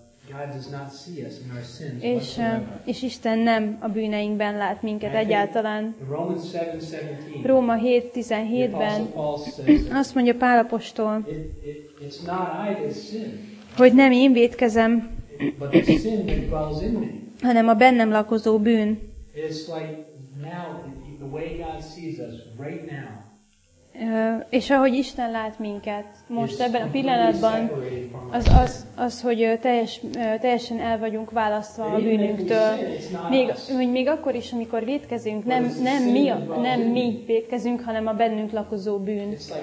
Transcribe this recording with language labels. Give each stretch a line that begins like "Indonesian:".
English: God does not see us in our sins.
Hungarian: És Isten nem a bűneinkben lát minket egyáltalán. Róma 7:17-ben azt mondja Pál apostol,
English: it's not I that sin,
Hungarian: hogy nem én vétkezem,
English: but the sin that dwells in me,
Hungarian: hanem a bennem lakozó bűn.
English: It's like now the way God sees us right now.
Hungarian: És ahogy Isten lát minket most ebben a pillanatban, az hogy teljesen el vagyunk választva a bűnünktől. Még akkor is, amikor vétkezünk, nem mi vétkezünk, hanem a bennünk lakozó bűn.